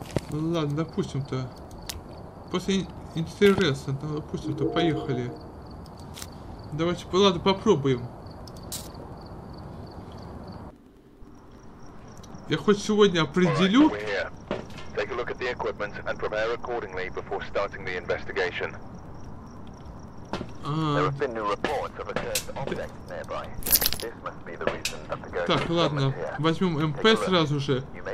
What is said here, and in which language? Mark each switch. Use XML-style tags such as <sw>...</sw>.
<ru>Ладно, допустим-то. После интереса, допустим-то, поехали. Давайте, ладно, попробуем. Я хоть сегодня определю.</ru> <en>Take a look at the equipment and prepare accordingly before starting the investigation. There have been new reports of a cursed object nearby. This must be the reason that the ghost.</en> <ru>Так, ладно, возьмем МП сразу же.</ru>